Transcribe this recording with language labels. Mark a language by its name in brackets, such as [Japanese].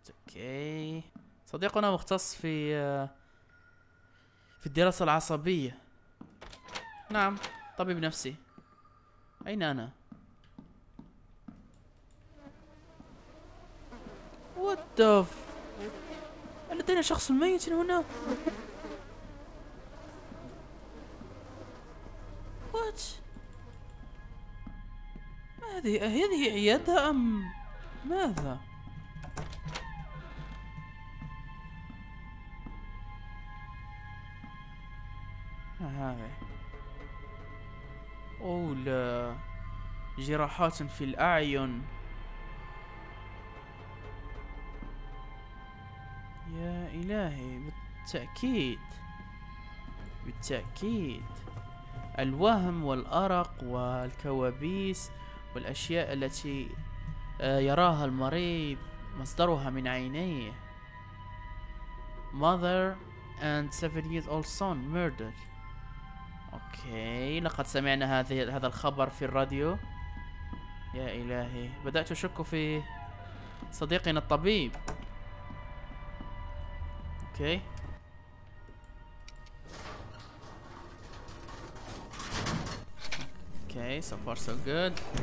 [Arabic] اوكي صديقنا مختص في الدراسة العصبية. نعم طبيب نفسي. اين انا؟ [English] What the f... [Arabic] لدينا شخص ميت هنا. What؟ ما هذه؟ أهذه عيادة أم ماذا؟ ما هذه؟ أوه لا، جراحات في الأعين. يا إلهي، بالتأكيد بالتأكيد الوهم والأرق والكوابيس والأشياء التي يراها المريض مصدرها من عينيه. [English] Mother and 7-year-old son murdered. [Arabic] أوكي لقد سمعنا هذا الخبر في الراديو. يا إلهي، بدأت أشك في صديقنا الطبيب. اوكي اوكي سو فار سو جود.